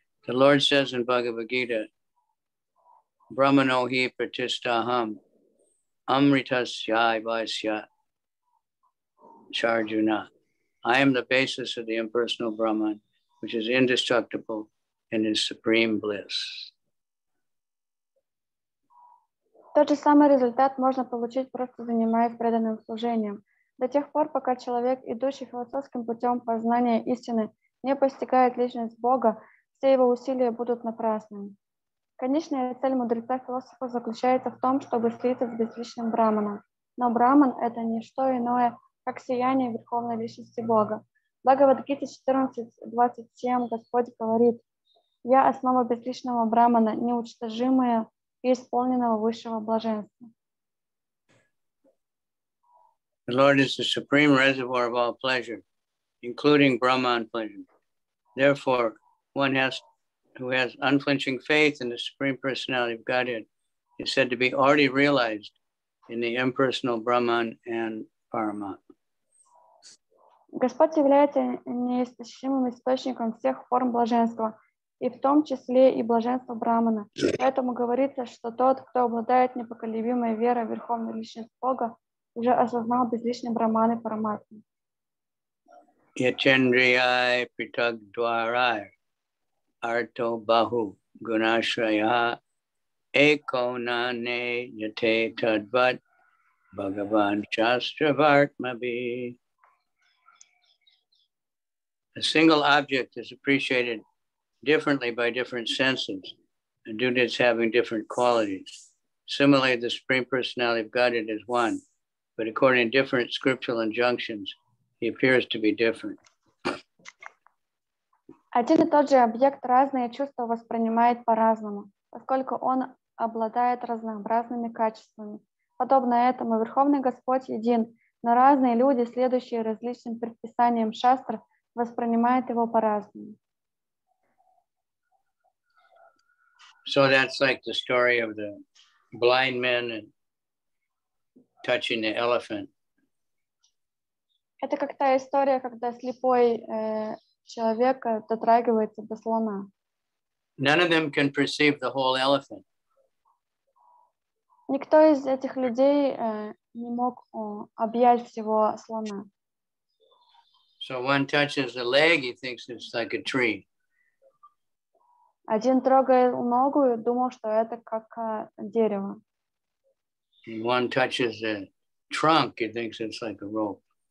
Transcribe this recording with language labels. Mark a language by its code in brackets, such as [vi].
[en] The Lord says in Bhagavad Gita, [sa] Brahmanohi pratistaham amritasya vasya charjuna. [en] I am the basis of the impersonal Brahman, which is indestructible and is supreme bliss. [ru] Тот же самый результат можно получить, просто занимаясь преданным служением. До тех пор, пока человек, идущий философским путем познания истины, не постигает личность Бога, все его усилия будут напрасными. Конечная цель мудреца-философа заключается в том, чтобы слиться с безличным Брахманом. Но Брахман — это не что иное, как сияние Верховной Личности Бога. Бхагавад-гита 14.27 Господь говорит: «Я — основа безличного Брахмана, неучтожимая и исполненного высшего блаженства». [en] The Lord is the supreme reservoir of all pleasure, including Brahman pleasure. Therefore, one has who has unflinching faith in the Supreme Personality of Godhead is said to be already realized in the impersonal Brahman and Paramatma. [ru] Господь является неистощимым источником всех форм блаженства, и в том числе и блаженства Брахмана. Поэтому говорится, что тот, кто обладает непоколебимой верой в Верховную Личность Бога, уже осознал безличный Брахман и Параматму. [sa] Кавичандрай Притагдварай Арто Баху Гунашрая Эко Нане Ятэ Тадват Bhagavan Chastravartmabhi. [en] A single object is appreciated differently by different senses and due to its having different qualities. Similarly, the Supreme Personality of Godhead is one, but according to different scriptural injunctions, he appears to be different. [ru] Один и тот же объект разные чувства воспринимает по-разному, поскольку он обладает разнообразными качествами. Подобно этому, Верховный Господь един, но разные люди, следующие различным предписаниям шастр, воспринимают его по-разному. [en] So that's like the story of the blind man and touching the elephant. [ru] Это как та история, когда слепой человек дотрагивается до слона. [en] None of them can perceive the whole elephant. [ru] Никто из этих людей не мог объять всего слона. [en] So one touches the leg, he thinks it's like a tree. [ru] Один трогал ногу и думал, что это как дерево. [en] And one touches the trunk, he thinks it's like a rope.